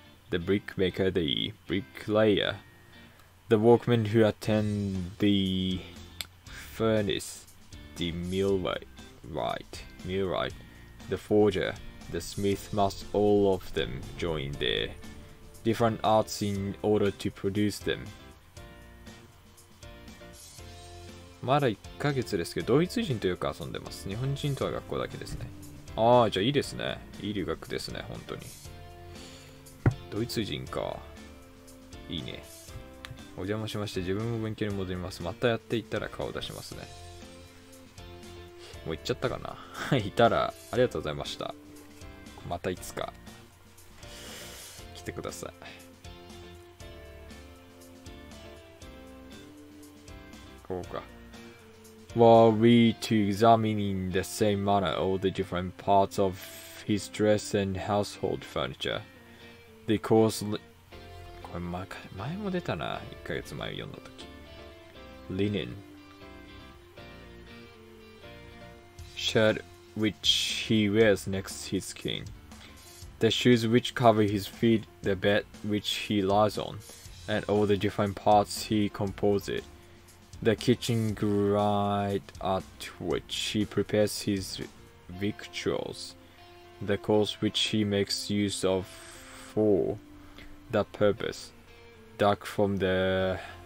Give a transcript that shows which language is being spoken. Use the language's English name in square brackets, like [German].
[English] The brickmaker, the bricklayer, the workmen who attend the furnace, the millwright, the forger, the smith must all of them join their different arts in order to produce them. [Japanese] まだ1ヶ月ですけど、ドイツ人とよく遊んでます。日本人とは学校だけですね。ああ、じゃあいいですね。いい留学ですね、本当に。ドイツ人か。いいね。お邪魔しまして、自分も勉強に戻ります。またやっていったら顔出しますね。もう行っちゃったかな。いたらありがとうございました。またいつか来てください。こうか。 [English] Were we to examine in the same manner all the different parts of his dress and household furniture, the coarse [Japanese] これ前も出たな、1ヶ月前読んだとき。 [English] Linen shirt which he wears next his skin, the shoes which cover his feet, the bed which he lies on, and all the different parts he composes. The kitchen grate at which he prepares his victuals, the course which he makes use of for that purpose, dark from the